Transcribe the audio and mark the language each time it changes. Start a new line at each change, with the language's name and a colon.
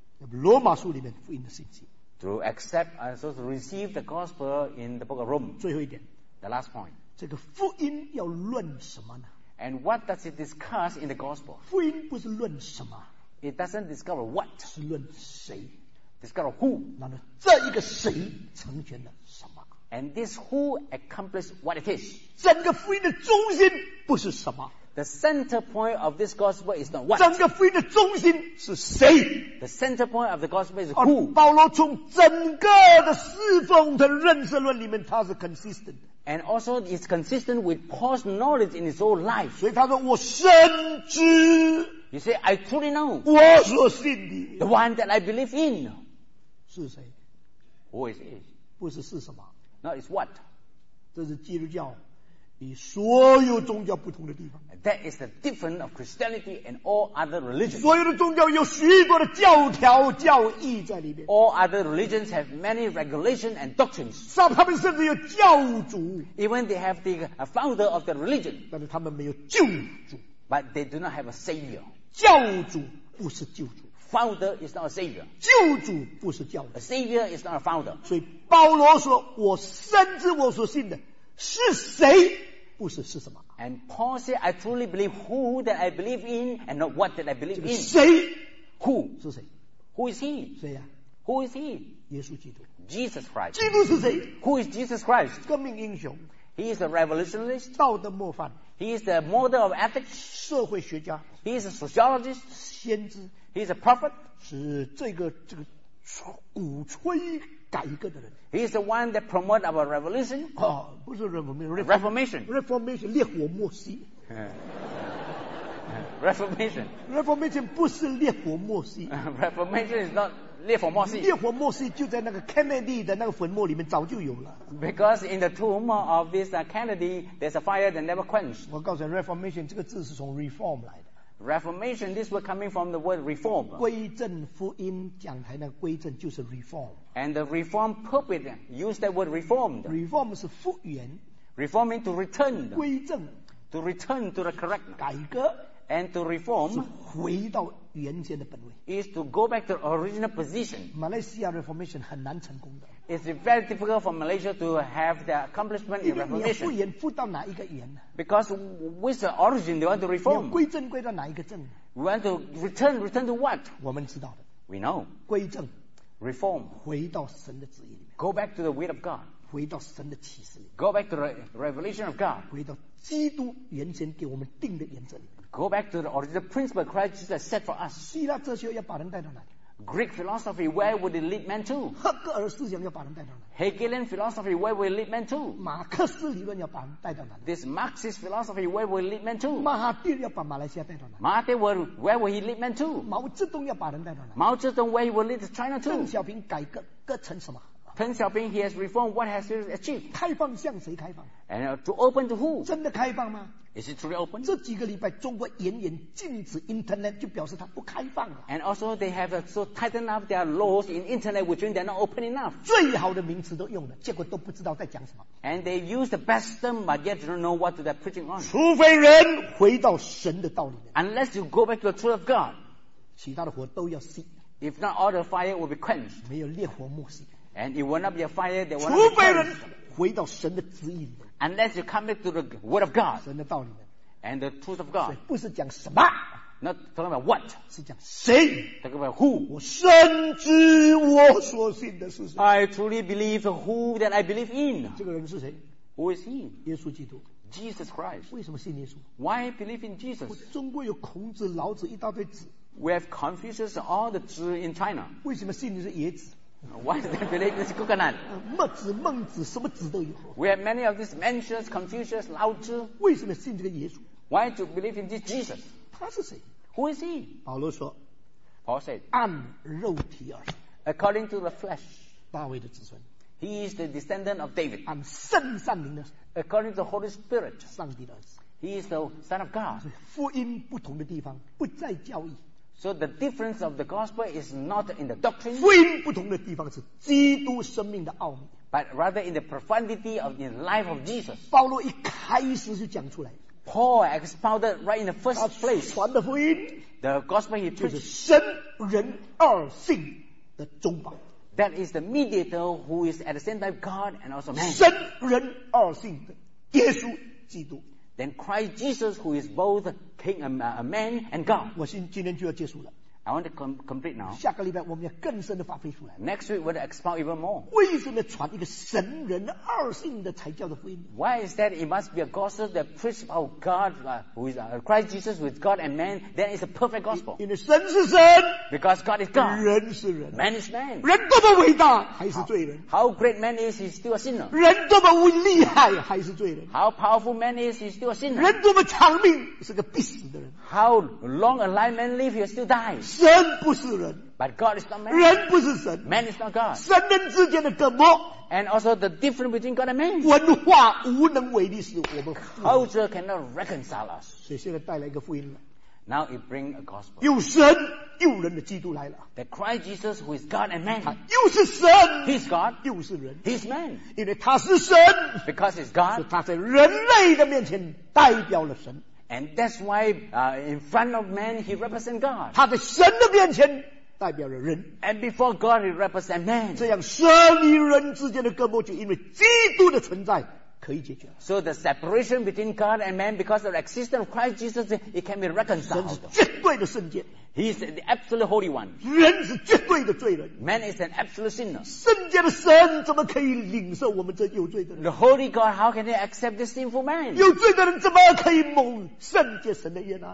Chinese: 领受,
English: to accept and also to receive the gospel in the book of Rome.
Chinese: 最后一点,
English: the last point.
Chinese: 这个福音要论什么呢?
English: And what does it discuss in the gospel?
Chinese: 福音不是论什么,
English: it doesn't discover what.
Chinese: 是论谁,
English: discover who.
Chinese: 然后这一个谁成全了什么,
English: and this who accomplished what it is.
Chinese: 整个福音的中心不是什么,
English: the center point of this gospel is not what?
Chinese: 整个福音的中心是谁?
English: The center point of the gospel is who?
Chinese: 保罗从整个的侍奉的认识论里面, 他是consistent.
English: And also it's consistent with Paul's knowledge in his whole life.
Chinese: 所以他说我深知,
English: you say, I truly know,
Chinese: 我所信的,
English: the one that I believe in.
Chinese: 是谁?
English: Who is he?
Chinese: 不是是什么?
English: No, it's what?
Chinese: 这是基督教,
English: that is the difference of Christianity and all other religions.
Chinese: 所有的宗教有许多的教条教义在里面。
English: All other religions have many regulations and doctrines.
Chinese: 他们甚至有教主。
English: Even they have the founder of the religion.
Chinese: 但是他们没有救主。
English: But they do not have a savior.
Chinese: 教主不是救主。
English: Founder is not a savior.
Chinese: 救主不是教主。
English: A savior is not a founder.
Chinese: 所以保罗说我深知我所信的 是谁不是是什么?
English: And Paul said, I truly believe who that I believe in and not what that I believe in.
Chinese: 谁?
English: Who?
Chinese: 是谁?
English: Who is he?
Chinese: 谁呀?
English: Who is he?
Chinese: 耶稣基督。
English: Jesus Christ.
Chinese: 基督是谁?
English: Who is Jesus Christ?
Chinese: 革命英雄。
English: He is a revolutionist.
Chinese: 道德模范。
English: He is the model of ethics.
Chinese: 社会学家。
English: He is a sociologist.
Chinese: 先知。
English: He is a prophet.
Chinese: 是这个鼓吹。
English: He is the one that promotes our revolution.
Chinese: Oh, 不是
English: reformation. Reformation. Reformation. Reformation. Reformation is not
Chinese: 烈火莫西. 烈火莫西就在那个 Kennedy的那个坟墓里面早就有了.
English: Because in the tomb of this Kennedy, there's a fire that never quenched.
Chinese: 我告诉你, Reformation 这个字是从 reform 来的.
English: Reformation, this word coming from the word reform.
Chinese: 归正福音讲台那归正就是 reform.
English: And the reform pulpit used that word reformed.
Chinese: Reform 是复原.
English: Reform means to return.
Chinese: 归正.
English: To return to the correct.
Chinese: 改革.
English: And to reform
Chinese: 是回到原先的本位.
English: Is to go back to the original position.
Chinese: Malaysia reformation 很难成功的.
English: It's very difficult for Malaysia to have the accomplishment in reformation.
Chinese: 复原复到哪一个原?
English: Because with the origin they want to reform.
Chinese: 归正归到哪一个正?
English: We want to return, return to what?
Chinese: 我们知道的.
English: We know.
Chinese: 归正.
English: Reform.
Chinese: 回到神的旨意里面.
English: Go back to the will of God.
Chinese: 回到神的启示里面.
English: Go back to the revelation of God.
Chinese: 回到基督原先给我们定的原则里面.
English: Go back to the original principle Christ Jesus set for us.
Chinese: 希腊哲学要把人带到哪里?
English: Greek philosophy, where would it lead men to?
Chinese: 赫格尔思想要把人带到哪里?
English: Hegelian philosophy, where would it lead men to?
Chinese: 马克思理论要把人带到哪里?
English: This Marxist philosophy, where would it lead men to?
Chinese: 马哈蒂要把马来西亚带到哪里?
English: Mahathir, where would he lead men to?
Chinese: 毛泽东要把人带到哪里?
English: Mao Zedong, where he would lead China to?
Chinese: 邓小平改革成什么?
English: Deng Xiaoping, he has reformed, what has he achieved?
Chinese: 开放向谁开放?
English: And to open to who?
Chinese: 真的开放吗?
English: Is it truly open?
Chinese: 这几个礼拜中国严严禁止internet, 就表示它不开放了。
English: And also they have so tightened up their laws in internet, which means they're not open enough.
Chinese: 最好的名词都用了, 结果都不知道在讲什么。
English: And they use the best term, but yet you don't know what they're preaching on.
Chinese: 除非人回到神的道里面。
English: Unless you go back to the truth of God.
Chinese: 其他的火都要熄。
English: If not, all the fire will be quenched.
Chinese: 没有烈火莫熄。
English: And it will not be a fire that will not be quenched.
Chinese: 除非人回到神的旨意里面。
English: Unless you come back to the word of God.
Chinese: 神的道里面。
English: And the truth of God.
Chinese: 所以不是讲什么,
English: not talking about what.
Chinese: 是讲谁,
English: talking about who.
Chinese: 我深知我所信的是谁。
English: I truly believe who that I believe in.
Chinese: 这个人是谁?
English: Who is he?
Chinese: 耶稣基督。
English: Jesus Christ.
Chinese: 为什么信耶稣?
English: Why believe in Jesus?
Chinese: 中国有孔子, 老子, 一大堆子,
English: We have Confucius and all the Zi in China.
Chinese: 为什么姓是椰子？
English: Why is that related to coconut?
Chinese: 墨子、孟子，什么子都有。
English: We have many of these Mencius, Confucius, Lao Tzu.
Chinese: 为什么信这个耶稣？
English: Why to believe in this Jesus?
Chinese: 他是谁？
English: Who is he?
Chinese: 保罗说，
English: Paul said,
Chinese: 按肉体而生。
English: According to the flesh,
Chinese: 大卫的子孙。
English: He is the descendant of David.
Chinese: 按圣善灵的。
English: According to the Holy Spirit,
Chinese: 上帝的儿子。
English: He is the Son of God.
Chinese: 福音不同的地方，不再教义。
English: So the difference of the gospel is not in the doctrine.
Chinese: 福音不同的地方是基督生命的奥秘。
English: But rather in the profundity of the life of Jesus.
Chinese: 保罗一开始就讲出来。
English: Paul expounded right in the first place.
Chinese: 传的福音。
English: The gospel he preached.
Chinese: 就是神人二性的中保。
English: That is the mediator who is at the same time God and also man.
Chinese: 神人二性的耶稣基督。
English: Then Christ Jesus, who is both king, a man and God.
Chinese: 我今天就要结束了。
English: I want to complete now.
Chinese: 下个礼拜我们要更深的发挥出来。
English: Next week we'll expound even more.
Chinese: 为什么传一个神人二性的才叫的福音？
English: Why is that? It must be a gospel that preached about God, who is Christ Jesus, who is God and man. That is a perfect gospel.
Chinese: 因为神是神。
English: Because God is God.
Chinese: 人是人。
English: Man is man.
Chinese: 人多么伟大，还是罪人。
English: How great man is, he's still a sinner.
Chinese: 人多么厉害，还是罪人。
English: How powerful man is, he's still a sinner.
Chinese: 人多么长命，是个必死的人。
English: How long a life man live, he'll still die.
Chinese: 神不是人。
English: But God is not man.
Chinese: 人不是神。
English: Man is not God.
Chinese: 神人之间的隔膜。
English: And also the difference between God and man.
Chinese: 文化无能为力，使我们。
English: Culture cannot reconcile us.
Chinese: 所以现在带来一个福音了。
English: Now it bring a gospel.
Chinese: 有神又人的基督来了。
English: The Christ Jesus who is God and man.
Chinese: 他又是神。
English: He's God.
Chinese: 又是人。
English: He's man.
Chinese: 因为他是神。
English: Because he's God.
Chinese: 所以他在人类的面前代表了神。
English: And that's why, in front of man, he represents God.
Chinese: 他在神的面前代表了人。
English: And before God, he represents man.
Chinese: 这样神与人之间的隔膜就因为基督的存在。
English: So the separation between God and man because of the existence of Christ Jesus, it can be reconciled.
Chinese: 神是绝对的圣洁。
English: He is the absolute holy one.
Chinese: 人是绝对的罪人。
English: Man is an absolute sinner.
Chinese: 圣洁的神怎么可以领受我们这有罪的人？
English: The holy God, how can they accept this sinful man?
Chinese: 有罪的人怎么可以蒙圣洁神的悦纳？